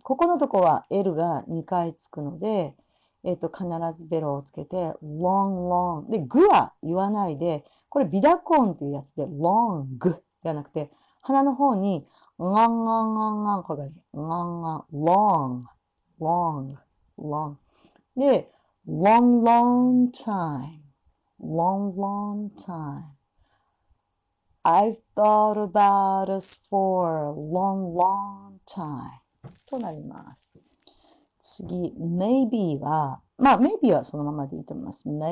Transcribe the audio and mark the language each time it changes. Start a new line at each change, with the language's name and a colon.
Japanese: ここのとこは L が2回つくので、必ずベロをつけて long, long。で、グは言わないで、これ鼻濁音っていうやつで long, グではなくて、鼻の方に
English: long, long, long, long、
Japanese: これが long, long, long, long。
English: で、long, long time, long, long time. I've thought about us for a long, long time.
Japanese: となります。次、maybe は、まあ、maybe はそのままでいいと思います。